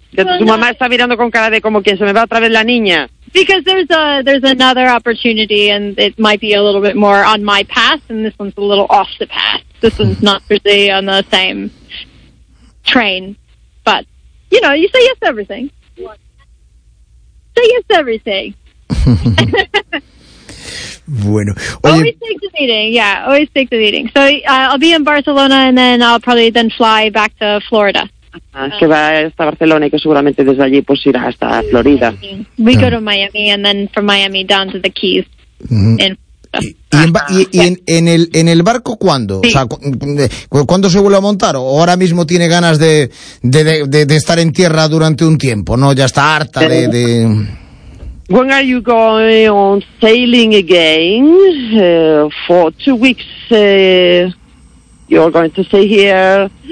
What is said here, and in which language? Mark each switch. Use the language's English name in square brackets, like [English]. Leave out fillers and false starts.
[Spanish] Que tu mamá está mirando con cara de como que se me va otra vez la niña. [English] Because there's another opportunity, and it might be a little bit more on my path, and this one's a little off the path. This one's not really on the same train. But, you know, you say yes to everything. Say yes to everything. [Spanish] Bueno, [English] oye. Always take the meeting. Yeah, always take the meeting. So I'll be in Barcelona, and then I'll probably then fly back to Florida. [Spanish] Que va hasta Barcelona, y que seguramente desde allí pues irá hasta Florida. [English] We go to Miami, and then from Miami down to the Keys. [Spanish] ¿Y en el barco cuándo? Sí. O sea, ¿cuándo se vuelve a montar? ¿O ahora mismo tiene ganas de estar en tierra durante un tiempo? ¿No? Ya está harta de... [English] When are you going on sailing again? For 2 weeks, you're going to stay here.